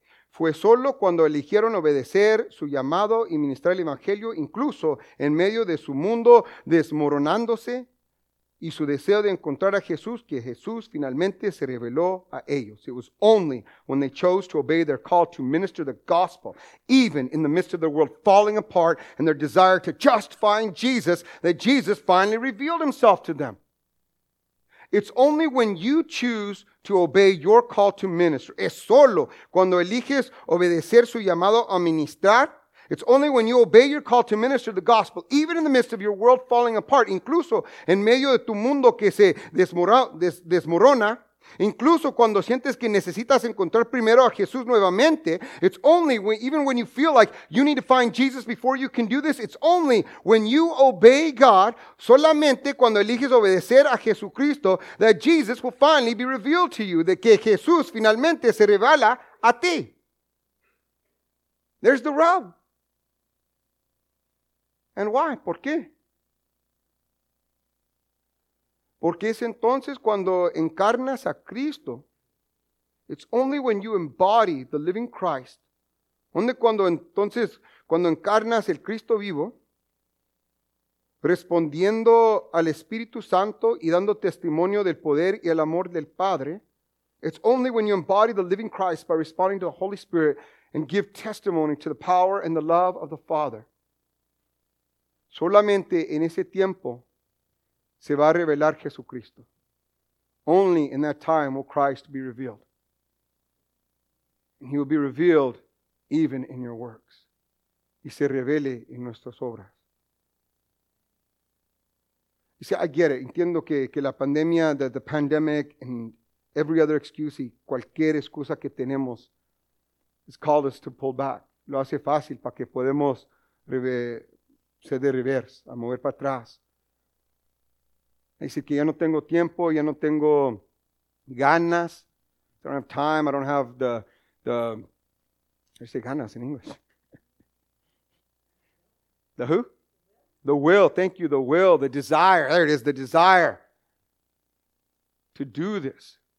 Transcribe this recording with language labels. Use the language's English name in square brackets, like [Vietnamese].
[Spanish] Fue solo cuando eligieron obedecer su llamado y ministrar el Evangelio, incluso en medio de su mundo desmoronándose y su deseo de encontrar a Jesús, que Jesús finalmente se reveló a ellos. [English] It was only when they chose to obey their call to minister the gospel, even in the midst of their world falling apart and their desire to just find Jesus, that Jesus finally revealed himself to them. It's only when you choose to obey your call to minister. [Spanish] Es solo cuando eliges obedecer su llamado a ministrar. [English] It's only when you obey your call to minister the gospel, even in the midst of your world falling apart, [Spanish] incluso en medio de tu mundo que se desmorona, incluso cuando sientes que necesitas encontrar primero a Jesús nuevamente, [English] it's only when, even when you feel like you need to find Jesus before you can do this, it's only when you obey God, [Spanish] solamente cuando eliges obedecer a Jesucristo, [English] that Jesus will finally be revealed to you, [Spanish] de que Jesús finalmente se revela a ti. [English] There's the rub. And why? [Spanish] ¿Por qué? Porque es entonces cuando encarnas a Cristo. [English] It's only when you embody the living Christ. [Spanish] ¿Dónde cuando entonces, cuando encarnas el Cristo vivo, respondiendo al Espíritu Santo y dando testimonio del poder y el amor del Padre? [English] It's only when you embody the living Christ by responding to the Holy Spirit and give testimony to the power and the love of the Father. [Spanish] Solamente en ese tiempo se va a revelar Jesucristo. [English] Only in that time will Christ be revealed. And he will be revealed even in your works. [Spanish] Y se revele en nuestras obras. [English] You see, I get it. [Spanish] Entiendo que la pandemia, [English] the pandemic, and every other excuse [Spanish] y cualquier excusa que tenemos [English] has called us to pull back. [Spanish] Lo hace fácil para que podemos de reverse, a mover para atrás. Dice que ya no tengo tiempo, ya no tengo ganas. [English] I don't have time, I don't have the I say ganas in English. The who? The will, thank you, the will, the desire. There it is, the desire to do this.